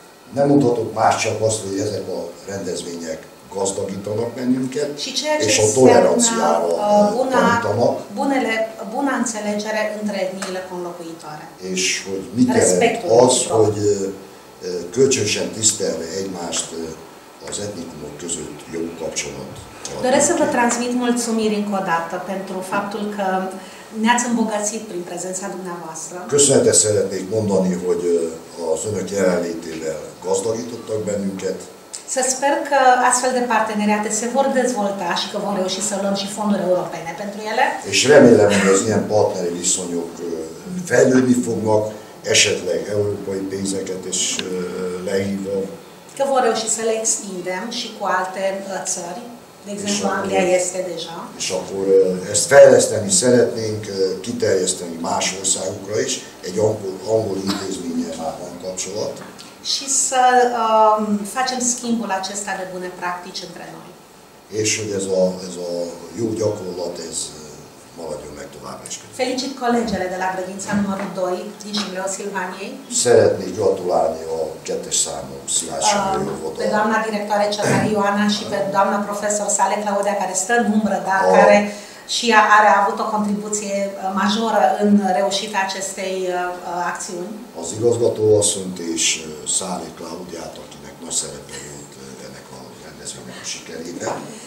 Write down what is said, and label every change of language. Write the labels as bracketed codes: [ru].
[hu] Nem mondhatok más, csak azt, hogy ezek a rendezvények gazdagítanak bennünket, és a toleranciával tanítanak. [ro] Buna înțelegere între etniile conlocuitoare. [hu] És hogy mi kellett az, hogy kölcsönsen tisztelve egymást az etnikumok között jó kapcsolat. [ro] Doresc să vă transmit mulțumiri încă o dată pentru faptul că ne-ați îmbogățit prin prezența dumneavoastră. [hu] Köszönetet szeretnék mondani, hogy az önök jelenlétével gazdagítottak bennünket. [ro] Să sper că astfel de parteneriate se vor dezvolta și că vom reuși să luăm și fonduri europene pentru ele. [hu] És remélem, hogy az ilyen partneri viszonyok fejlődni fognak, esetleg európai pénzeket is lehívva. [ro] Că vor reuși să le extindem și cu alte țări. De exemplu, Anglia este deja. [hu] És akkor ezt fejleszteni szeretnénk, kiterjeszteni más országokra is, egy angol intézménnyel már van kapcsolat. [ro] Și să facem schimbul acesta de bune practici între noi. [hu] És hogy ez a jó gyakorlat, ez maradjon meg továbbra is. [ro] Felicit kollégele de la grădința numărul 2 din Simleu Silvaniei. [hu] Szeretnék gratulálni a kettes számú Szilássy Imre óvodának. [ro] Pe doamna directoare Csatari Ioana și pe doamna profesor Sale Claudia, care stă în umbră, dar care și are avut o contribuție majoră în reușita acestei acțiuni. [hu] Az igazgatóval sunt és Szálé Klaudiát, akinek nagy szerepe volt ennek a rendezvénynek a sikerében.